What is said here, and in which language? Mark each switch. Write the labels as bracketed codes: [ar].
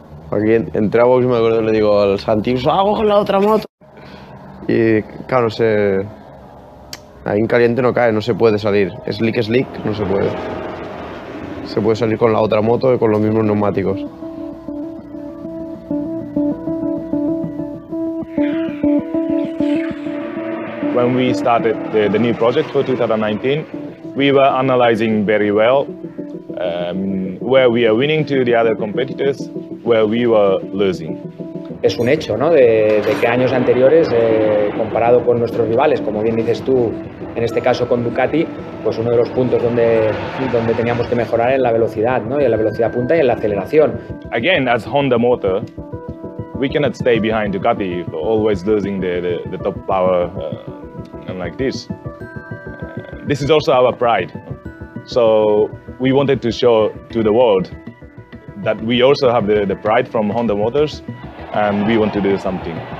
[es] Aquí entré a box y me acuerdo que le digo al Santi, ¡hago con la otra moto! Y claro, se... Ahí en caliente no cae, no se puede salir. Slick, no se puede. Se puede salir con la otra moto y con los mismos neumáticos. [en] When we started the new project for 2019, we were analyzing very well where we are winning to the other competitors, where we were losing. [es] es un hecho, ¿no? De que años anteriores, comparado con nuestros rivales, como bien dices tú, en este caso con Ducati, pues uno de los puntos donde teníamos que mejorar en la velocidad, ¿no? Y en la velocidad punta y en la aceleración. [en] Again, as Honda Motor, we cannot stay behind Ducati, always losing the top power and like this. This is also our pride. So we wanted to show to the world that we also have the pride from Honda Motors and we want to do something.